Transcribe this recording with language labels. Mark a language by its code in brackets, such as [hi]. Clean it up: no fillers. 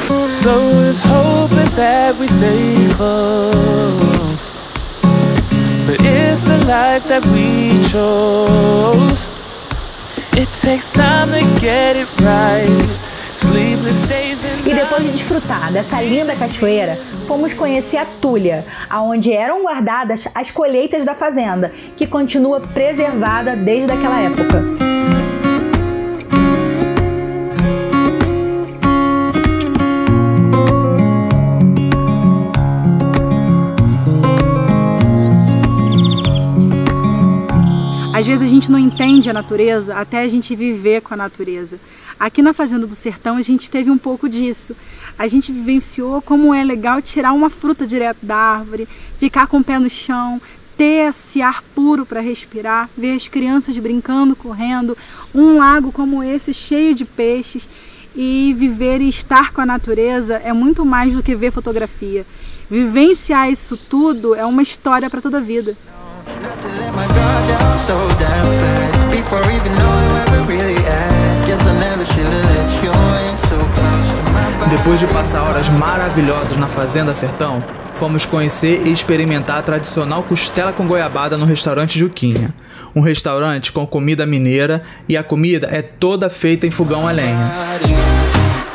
[en] So it's hopeless that we stay close, but it's the life that we chose. It takes time to get it right. [pt] E depois de desfrutar dessa linda cachoeira, fomos conhecer a Tulha, aonde eram guardadas as colheitas da fazenda, que continua preservada desde aquela época. Às vezes a gente não entende a natureza até a gente viver com a natureza. Aqui na Fazenda do Sertão a gente teve um pouco disso. A gente vivenciou como é legal tirar uma fruta direto da árvore, ficar com o pé no chão, ter esse ar puro para respirar, ver as crianças brincando, correndo, um lago como esse cheio de peixes, e viver e estar com a natureza é muito mais do que ver fotografia. Vivenciar isso tudo é uma história para toda a vida. [en] Not to let my guard down so damn fast, before even knowing where we really at. Guess I never should have let you in so close to my body. [pt] Depois de passar horas maravilhosas na Fazenda Sertão, fomos conhecer e experimentar a tradicional costela com goiabada no restaurante Juquinha. Um restaurante com comida mineira, e a comida é toda feita em fogão a lenha.